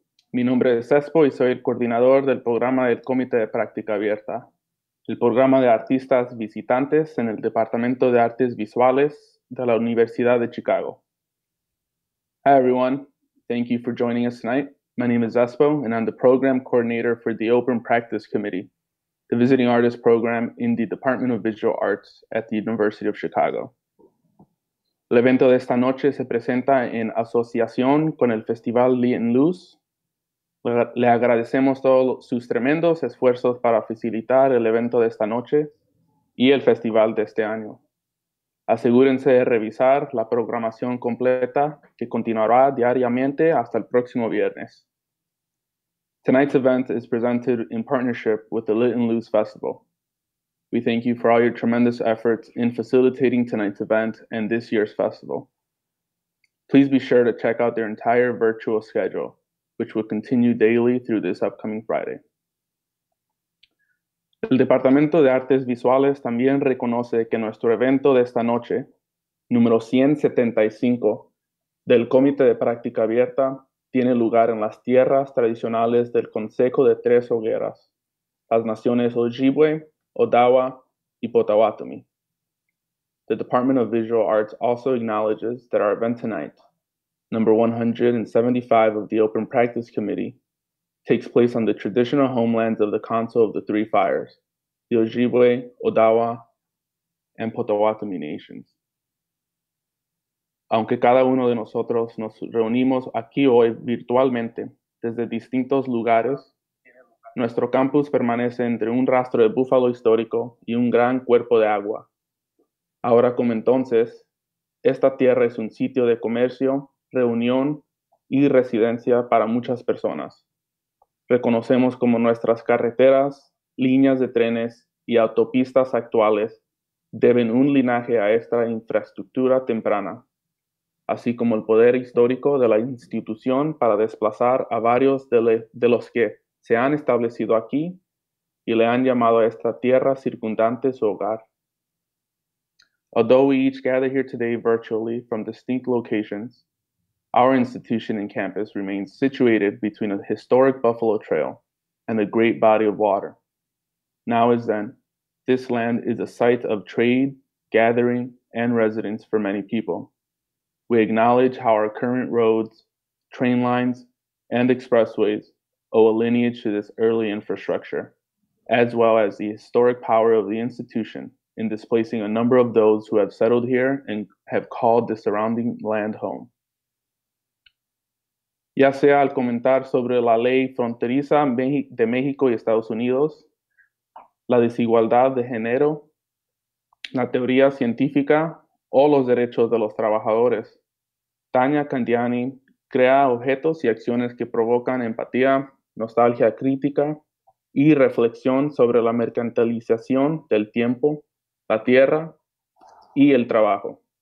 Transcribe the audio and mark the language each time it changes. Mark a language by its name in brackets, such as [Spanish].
[Spanish] Mi nombre es Espo y soy el coordinador del programa del Comité de Práctica Abierta, el programa de artistas visitantes en el Departamento de Artes Visuales de la Universidad de Chicago. [English] Hi everyone, thank you for joining us tonight. My name is Espo and I'm the program coordinator for the Open Practice Committee, the visiting artist program in the Department of Visual Arts at the University of Chicago. [Spanish] El evento de esta noche se presenta en asociación con el Festival Lee & Luz. Le agradecemos todos sus tremendos esfuerzos para facilitar el evento de esta noche y el festival de este año. Asegúrense de revisar la programación completa que continuará diariamente hasta el próximo viernes. [English] Tonight's event is presented in partnership with the Lee & Luz Festival. We thank you for all your tremendous efforts in facilitating tonight's event and this year's festival. Please be sure to check out their entire virtual schedule, which will continue daily through this upcoming Friday. [Spanish] El Departamento de Artes Visuales también reconoce que nuestro evento de esta noche, número 175, del Comité de Práctica Abierta, tiene lugar en las tierras tradicionales del Consejo de Tres Hogueras, las Naciones Ojibwe, Odawa, and Potawatomi. [English] The Department of Visual Arts also acknowledges that our event tonight, number 175 of the Open Practice Committee, takes place on the traditional homelands of the Council of the Three Fires, the Ojibwe, Odawa, and Potawatomi nations. [Spanish] Aunque cada uno de nosotros nos reunimos aquí hoy virtualmente desde distintos lugares, nuestro campus permanece entre un rastro de búfalo histórico y un gran cuerpo de agua. Ahora como entonces, esta tierra es un sitio de comercio, reunión y residencia para muchas personas. Reconocemos como nuestras carreteras, líneas de trenes y autopistas actuales deben un linaje a esta infraestructura temprana, así como el poder histórico de la institución para desplazar a varios de los que se han establecido aquí y le han llamado a esta tierra circundante su hogar. [English] Although we each gather here today virtually from distinct locations, our institution and campus remains situated between a historic buffalo trail and a great body of water. Now as then, this land is a site of trade, gathering, and residence for many people. We acknowledge how our current roads, train lines, and expressways owe a lineage to this early infrastructure, as well as the historic power of the institution in displacing a number of those who have settled here and have called the surrounding land home. [Spanish] Ya sea al comentar sobre la ley fronteriza de México y Estados Unidos, la desigualdad de género, la teoría científica o los derechos de los trabajadores, Tania Candiani crea objetos y acciones que provocan empatía, nostalgia crítica y reflexión sobre la mercantilización del tiempo, la tierra y el trabajo.